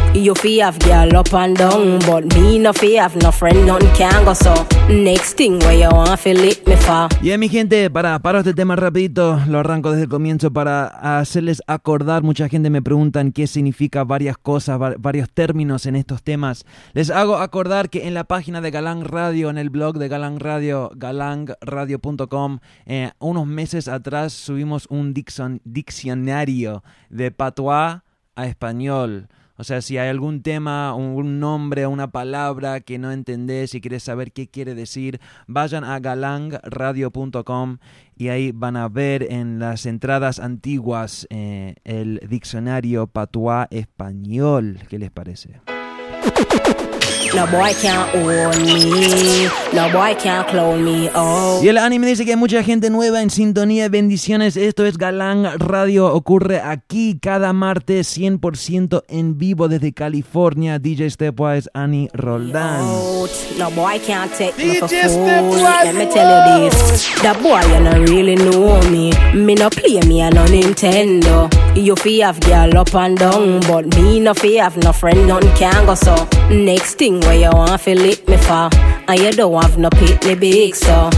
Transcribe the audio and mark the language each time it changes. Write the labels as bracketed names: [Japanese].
[English] You fi have girl up and down, but me no fi have no friend, none can go so. Next thing where you want fi lick me for. [Spanish] Yeah, mi gente, para, paro este tema rapidito. Lo arranco desde el comienzo para hacerles acordar. Mucha gente me preguntan qué significa varias cosas, varios términos en estos temas. Les hago acordar que en la página de Galang Radio, en el blog de Galang Radio, galangradio.com, unos meses atrás subimos un diccionario de patois a español. O sea, si hay algún tema, un nombre, una palabra que no entendés y quieres saber qué quiere decir, vayan a galangradio.com y ahí van a ver en las entradas antiguas el diccionario patuá español. ¿Qué les parece? [English] No boy can't own me, no boy can't clone me, oh. [Spanish] Y el anime dice que hay mucha gente nueva en sintonía. Bendiciones, esto es Galang Radio. Ocurre aquí cada martes 100% en vivo desde California. DJ Stepwise, Annie Roldán. [English] No boy can't take me for fool. Let me tell you this, that boy you no really know me. Me no play me a no Nintendo. You fi have girl up and down, but me no fi have no friend, none can go so. Next thing where you want fi lick me for, and you don't have no pit me big so.